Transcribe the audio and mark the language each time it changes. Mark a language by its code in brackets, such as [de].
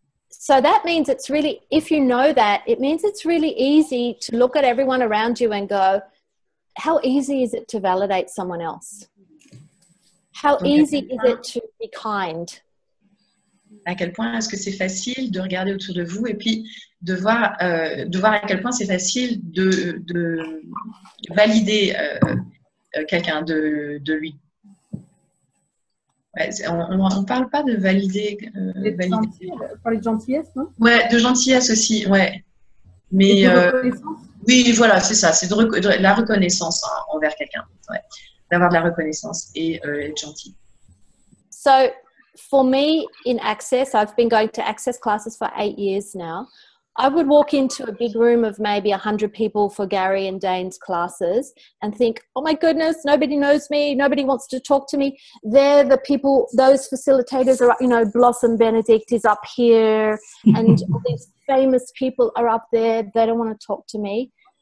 [en] So that means it's really, if you know that, it means it's really easy to look at everyone around you and go, how easy is it to validate someone else? How easy is it to be kind? [fr] à quel point est-ce que c'est facile de regarder autour de vous et puis de voir à quel point c'est facile de valider quelqu'un de lui. Ouais, on parle pas de valider. Parler de gentillesse, non? Ouais, de gentillesse aussi, ouais. Mais oui, voilà, c'est ça, c'est de la reconnaissance hein, envers quelqu'un, ouais. D'avoir de la reconnaissance et être gentil. [en] So, for me, in Access, I've been going to Access classes for 8 years now. I would walk into a big room of maybe 100 people for Gary and Dane's classes and think, oh my goodness, nobody knows me, nobody wants to talk to me. They're the people, those facilitators are, you know, Blossom Benedict is up here and all these famous people are up there, they don't want to talk to me.